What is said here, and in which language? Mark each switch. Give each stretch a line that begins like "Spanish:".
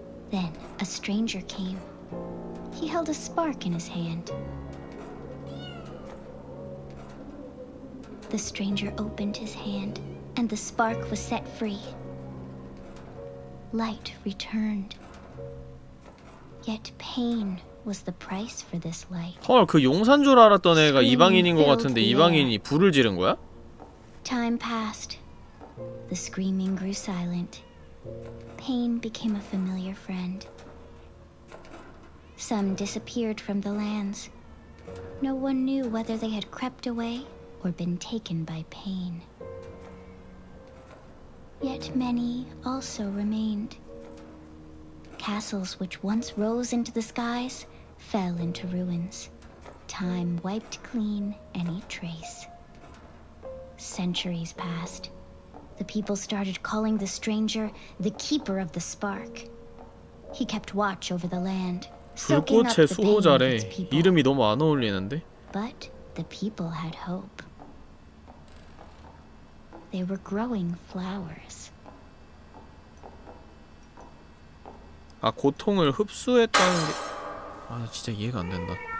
English: Then a stranger came. He held a spark in his hand. The stranger opened his hand, and the spark was set free. Light returned. Yet pain was the price for this light.
Korean: 헐, 그 용산 줄 알았던 애가 이방인인 것 같은데 이방인이 불을 지른 거야?
English: Time passed. The screaming grew silent. Pain became a familiar friend. Some disappeared from the lands. No one knew whether they had crept away or been taken by pain. Yet many also remained. Castles which once rose into the skies fell into ruins. Time wiped clean any trace. Centuries passed. The people started calling the stranger the keeper of the spark. He kept watch over the land, soaking up the pain of its people.
Korean: 이름이 너무 안 어울리는데?
English: But the people had hope. They were growing flowers.
Korean: 아, 고통을 흡수했다는 게... 아, 진짜 이해가 안 된다.